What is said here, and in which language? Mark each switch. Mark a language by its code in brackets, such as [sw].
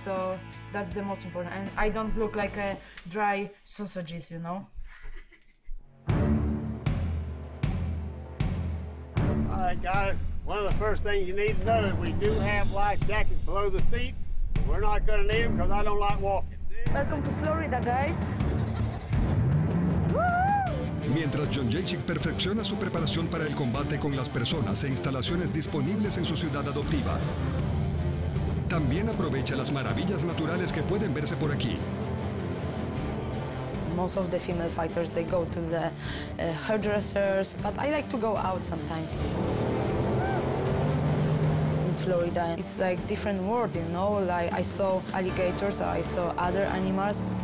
[en] So that's the most important, and I don't look like a dry sausages, you know. All right, guys. One of the first things you need to know is we do have life jackets below the seat. We're not going to need them because I don't like walking. Welcome to Florida, guys. Woo! [es] Mientras John Jacek perfecciona su preparación para el combate con las personas e instalaciones disponibles en su ciudad adoptiva, también aprovecha las maravillas naturales que pueden verse por aquí. [en] Most of the female fighters, they go to the hairdressers, but I like to go out sometimes. In Florida, it's like different world, you know, like I saw alligators, I saw other animals.